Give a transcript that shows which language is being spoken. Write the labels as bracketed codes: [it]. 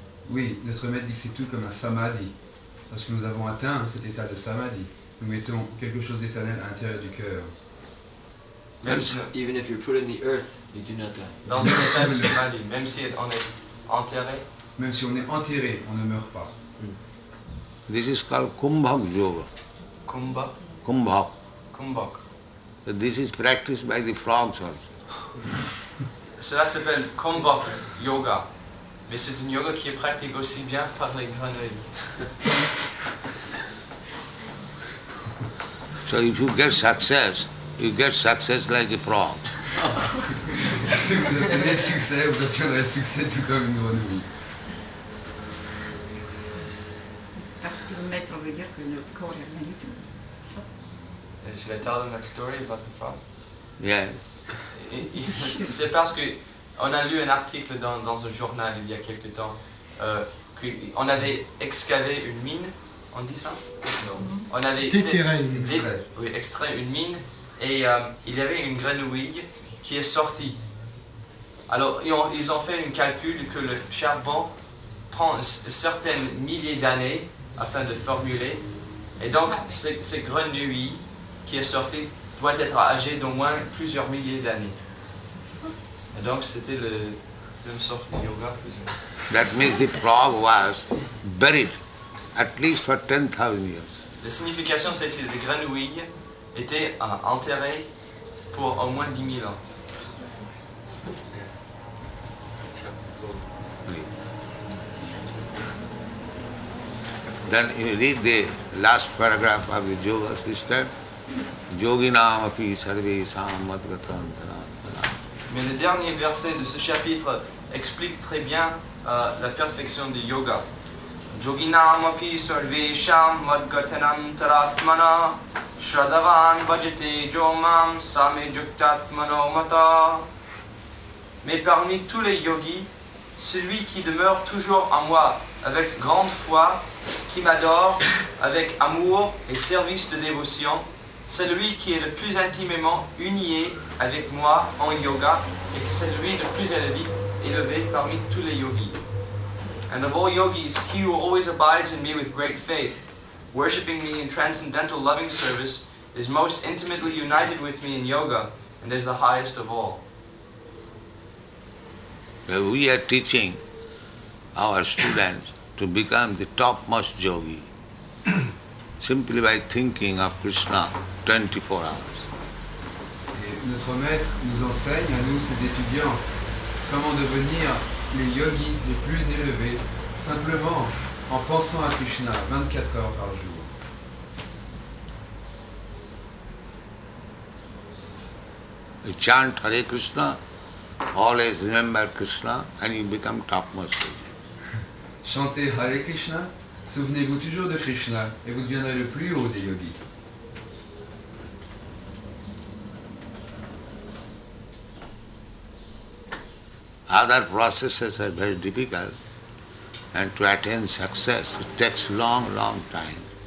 [fr] Oui, notre maître dit que c'est tout comme un samadhi. Lorsque nous avons atteint cet état de samadhi, nous mettons quelque chose d'éternel à l'intérieur du cœur. [en] Even if you're put in the earth, you do not die. [fr] Dans un état de samadhi, même si on est enterré. Même si on est enterré, on ne meurt pas. [en] This is called Kumbhak Yoga. Kumbhak? Kumbhak. Kumbhak. This is practiced by the frogs also. [fr] Cela s'appelle Kumbhak Yoga. Mais c'est une yoga qui est pratiquée aussi bien par les grenouilles. [en] So if you get success, you get success like a frog. [fr] Si vous obtenez succès, vous obtenez succès tout comme une grenouille. Parce que le maître veut dire que notre corps n'est rien du tout, c'est ça? [en] Should I tell them that story about the frog? Yeah. [fr] C'est parce que on a lu un article dans un journal il y a quelque temps qu'on avait excavé une mine, on dit ça? Non. On avait extrait une mine et il y avait une grenouille qui est sortie. Alors ils ont fait un calcul que le charbon prend certaines milliers d'années afin de formuler et donc cette grenouille qui est sortie doit être âgée d'au moins plusieurs milliers d'années. Donc c'était le même sort de yoga. [en] That means the frog was buried at least for 10,000 years. [fr] La signification c'est que les grenouilles étaient enterrées pour au moins 10 000 ans. Oui. [en] Then you read the last paragraph of the yoga system. [sa] Yoginam api sarve sam madgatam tanam. [fr] Mais le dernier verset de ce chapitre explique très bien la perfection du yoga. [sa] Yoginam api sarvesham madgatanam taratmana shradavan bhajate jomam samyuktatmano mata. [fr] Mais parmi tous les yogis, celui qui demeure toujours en moi avec grande foi, qui m'adore avec amour et service de dévotion, c'est lui qui est le plus intimement unié avec moi en yoga et c'est lui le plus élevé parmi tous les yogis. [en] And of all yogis, he who always abides in me with great faith, worshipping me in transcendental loving service, is most intimately united with me in yoga and is the highest of all. Now we are teaching our students to become the topmost yogi simply by thinking of Krishna 24 hours. [fr] Et notre maître nous enseigne à nous ses étudiants comment devenir les yogis les plus élevés simplement en pensant à Krishna 24 heures par jour. [en] You chant Hare Krishna, always remember Krishna and you become topmost yogi. [fr] Chantez Hare Krishna, souvenez-vous toujours de Krishna et vous deviendrez le plus haut des yogis. [en] Other processes are very difficult and to attain success it takes long, long time.